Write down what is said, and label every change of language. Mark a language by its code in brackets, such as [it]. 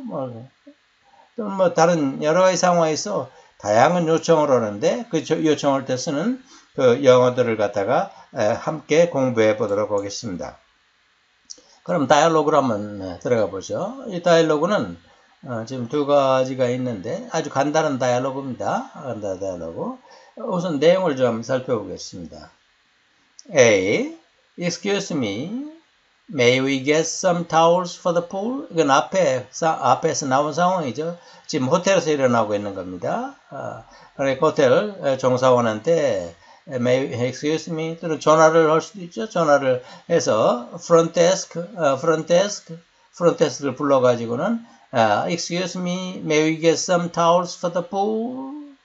[ko] 뭐 또는 뭐 다른 여러 가지 상황에서 다양한 요청을 하는데 그 요청할 때 쓰는 그 영어들을 갖다가 함께 공부해 보도록 하겠습니다. 그럼 다이얼로그로 한번 들어가 보죠. 이 다이얼로그는 지금 두 가지가 있는데 아주 간단한 다이얼로그입니다. 간단한 다이얼로그. 우선 내용을 좀 살펴보겠습니다. [en] A. Excuse me. May we get some towels for the pool? [ko] 이건 앞에서 나온 상황이죠. 지금 호텔에서 일어나고 있는 겁니다. 그러니까 호텔 종사원한테 [en] excuse me. [ko] 또는 전화를 할 수도 있죠. 전화를 해서 [en] front desk를 [ko] 불러가지고는 [en] excuse me, may we get some towels for the pool?